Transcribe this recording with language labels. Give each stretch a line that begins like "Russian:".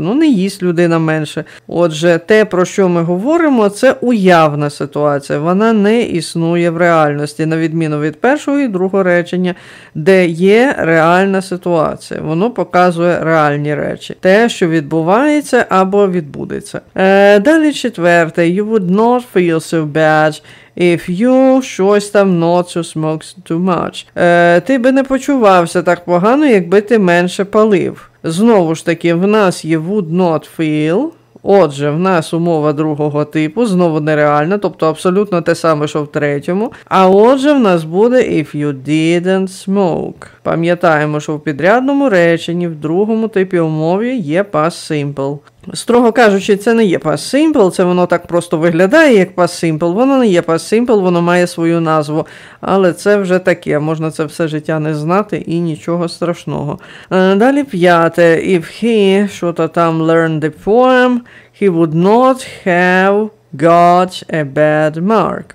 Ukrainian: Ну, не їсть людина менше. Отже, те, про що ми говоримо, це уявна ситуація. Вона не існує в реальності, на відміну від першого і другого речення, де є реальна ситуація. Воно показує реальні речі. Те, що відбувається, це або відбудеться. Далі четверте.
English: You would not feel so bad if you
Ukrainian: щось там
English: not to smoke too much.
Ukrainian: Ти би не почувався так погано, якби ти менше палив. Знову ж таки, в нас є
English: would not feel.
Ukrainian: Отже, в нас умова другого типу, знову нереальна, тобто абсолютно те саме, що в третьому. А отже, в нас буде
English: if you didn't smoke.
Ukrainian: Пам'ятаємо, що в підрядному реченні, в другому типі умови є past simple. Строго кажучи, це не є past simple, це воно так просто виглядає як past simple. Воно не є past simple, воно має свою назву. Але це вже таке, можна це все життя не знати і нічого страшного. Далі п'яте.
English: If he,
Ukrainian: що-то там,
English: learned the poem, he would not have got a bad mark.